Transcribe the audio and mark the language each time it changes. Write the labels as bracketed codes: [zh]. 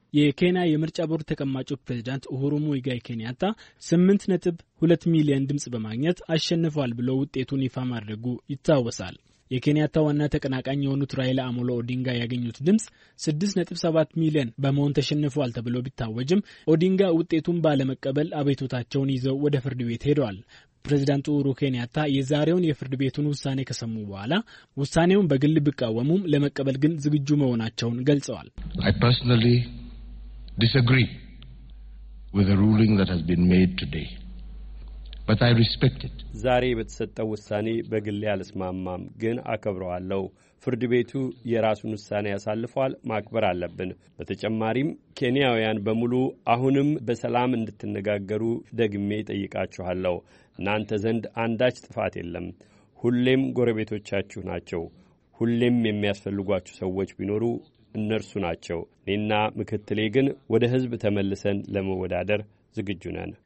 [am] የኬንያ የምርጫ ቦርድ ተቀማጩ ፕሬዝዳንት ኡሁሩ ሙይጋይ ኬንያታ 8.2 ሚሊዮን ድምጽ በማግኘት አሸንፈዋል ብለው ውጤቱን ይፋ ማድረጉ ይታወሳል። የኬንያታ ዋና ተቀናቃኝ የሆኑት ራይላ አሞሎ ኦዲንጋ ያገኙት ድምጽ 6.7 ሚሊዮን በመሆን ተሸንፈዋል ተብሎ ቢታወጅም ኦዲንጋ ውጤቱን ባለመቀበል አቤቱታቸውን ይዘው ወደ ፍርድ ቤት ሄደዋል። ፕሬዚዳንት ኡሁሩ ኬንያታ የዛሬውን የፍርድ ቤቱን ውሳኔ ከሰሙ በኋላ ውሳኔውን በግል ቢቃወሙም ለመቀበል ግን ዝግጁ መሆናቸውን ገልጸዋል። [en] I personally disagree with the ruling that has been made today. But I respect it. [am] ዛሬ በተሰጠው ውሳኔ በግል ያልስማማም ግን አከብረዋለሁ። ፍርድ ቤቱ የራሱን ውሳኔ ያሳልፈዋል ማክበር አለብን። በተጨማሪም ኬንያውያን በሙሉ አሁንም በሰላም እንድትነጋገሩ ደግሜ ጠይቃችኋለሁ። እናንተ ዘንድ አንዳች ጥፋት የለም። ሁሌም ጎረቤቶቻችሁ ናቸው። ሁሌም የሚያስፈልጓችሁ ሰዎች ቢኖሩ እነርሱ ናቸው። እኔና ምክትሌ ግን ወደ ህዝብ ተመልሰን ለመወዳደር ዝግጁ ነን።